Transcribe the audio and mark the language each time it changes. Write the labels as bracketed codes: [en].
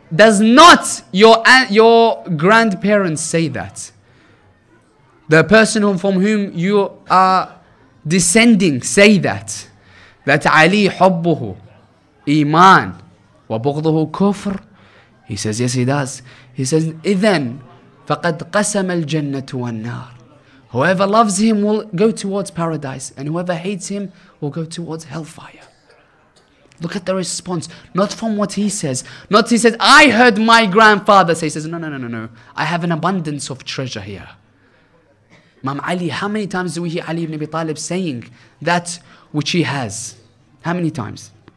[en] Does not your grandparents say that? The person from whom you are descending say that Ali [ar] حُبُّهُ إِيمَانُ وَبُغْضُهُ كُفْرٌ. [en] He says, yes, he does. He says, [ar] إِذَنْ فَقَدْ قَسَمَ الْجَنَّةُ وَالنَّارُ. [en] Whoever loves him will go towards paradise, and whoever hates him will go towards hellfire. Look at the response. Not from what he says. Not he says, I heard my grandfather say. He says, no. I have an abundance of treasure here. Imam Ali, how many times do we hear Ali ibn Abi Talib saying that which he has? How many times?